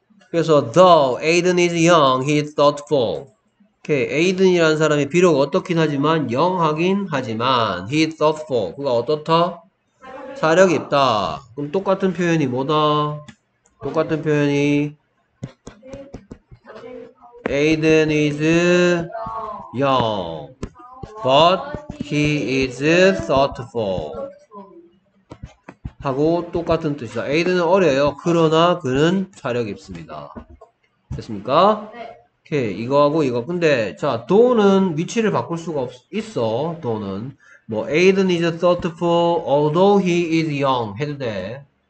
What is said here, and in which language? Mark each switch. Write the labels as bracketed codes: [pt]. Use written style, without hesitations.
[ko] 그래서 [en] though Aiden is young, he is thoughtful. [ko] 오케이, Aiden이라는 사람이 비록 어떻긴 하지만 young 하긴 하지만 [en] he is thoughtful. [ko] 그가 어떻다? 사력 있다. 그럼 똑같은 표현이 뭐다? 똑같은 표현이 [en] Aiden is young, but he is thoughtful. [ko] 하고 똑같은 뜻이다. Aiden은 어려요. 그러나 그는 사력 있습니다. 됐습니까? 오케이, 이거하고 이거. 근데 자, 도는 위치를 바꿀 수가 있어. 도는 뭐 [en] Aiden is thoughtful although he is young [ko] 해도 돼.